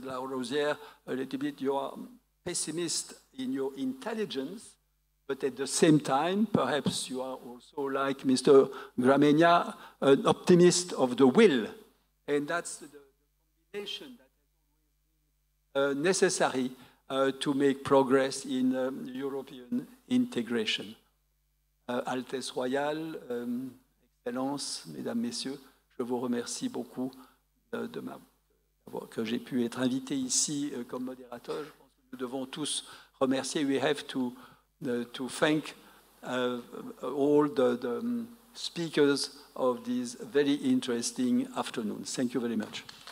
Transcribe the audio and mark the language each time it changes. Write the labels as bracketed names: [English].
[English] Larosière, a little bit, you are pessimist in your intelligence, but at the same time, perhaps you are also, like Mr. Gramegna, an optimist of the will. And that's the combination that is necessary to make progress in European integration. [French] Altesse Royale, Excellence, Mesdames, Messieurs, je vous remercie beaucoup que j'ai pu être invité ici comme modérateur. Je pense que nous devons tous remercier. [English] We have to thank all the speakers of this very interesting afternoon. Thank you very much.